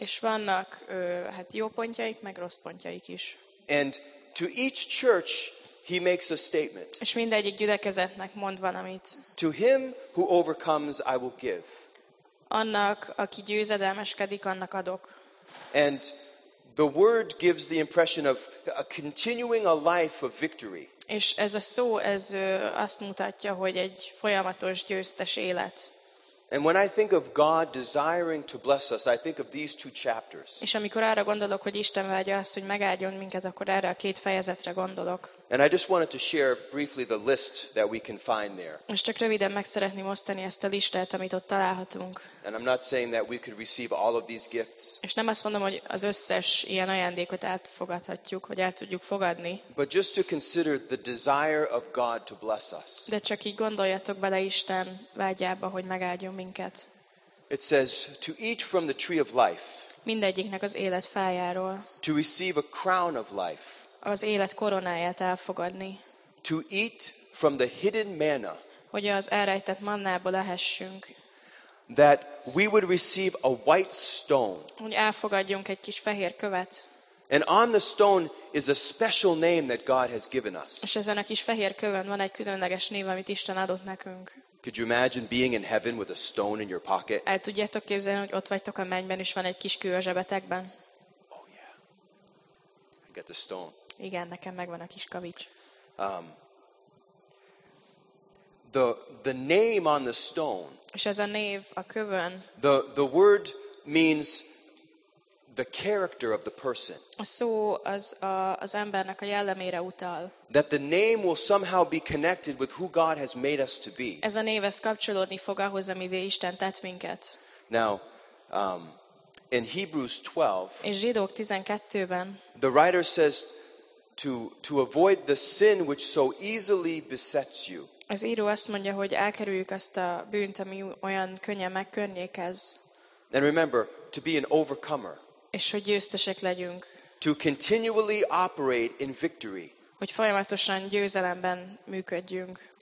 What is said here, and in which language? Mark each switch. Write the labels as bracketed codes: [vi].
[hu] És vannak hát jó pontjaik, meg rossz pontjaik is. [en] And to each church he makes a statement. [hu] És mindegyik gyülekezetnek mond valamit. [en] To him who overcomes I will give. [hu] Annak, aki győzedelmeskedik, annak adok. [en] And the word gives the impression of a continuing a life of victory. [hu] És ez a szó, ez azt mutatja, hogy egy folyamatos győztes élet. [en] And when I think of God desiring to bless us, I think of these two chapters. [hu] És amikor arra gondolok, hogy Isten vágya az, hogy megáldjon minket, akkor erre a két fejezetre gondolok. [en] And I just wanted to share briefly the list that we can find there. [hu] Most csak röviden meg szeretném osztani ezt a listát, amit ott találhatunk. [en] And I'm not saying that we could receive all of these gifts. [hu] És nem azt mondom, hogy az összes ilyen ajándékot elfogadhatjuk, vagy el tudjuk fogadni. [en] But just to consider the desire of God to bless us. [hu] De csak így gondoljatok bele Isten vágyába, hogy megáldjon minket. [en] It says to eat from the tree of life. [hu] Mindegyiknek az élet fájáról. [en] To receive a crown of life. [hu] Az élet koronáját elfogadni. [en] To eat from the hidden manna. [hu] Hogy az elrejtett mannából ehessünk. [en] That we would receive a white stone. [hu] Hogy elfogadjunk egy kis fehér követ. [en] And on the stone is a special name that God has given us. [hu] És ezen a kis fehér kövön van egy különleges név, amit Isten adott nekünk. [en] Could you imagine being in heaven with a stone in your pocket? [hu] El tudjátok képzelni, hogy ott vagytok a mennyben, és van egy kis kő a zsebetekben? [en] Oh yeah. I get the stone. [hu] Igen, nekem megvan a kis kavics. [en] The name on the stone. [hu] És ez a név a kövön. [en] The word means the character of the person. [hu] A szó az az embernek a jellemére utal. [en] That the name will somehow be connected with who God has made us to be. [hu] Ez a név kapcsolódni fog ahhoz, amivé Isten tett minket. [en] Now, in Hebrews 12. [hu] És Zsidók 12-ben. [en] The writer says to avoid the sin which so easily besets you. [hu] Az író azt mondja, hogy elkerüljük azt a bűnt, ami olyan könnyen megkörnyékez. [en] And remember to be an overcomer. [hu] És hogy győztesek legyünk. [en] To continually operate in victory. [hu] Hogy folyamatosan győzelemben működjünk.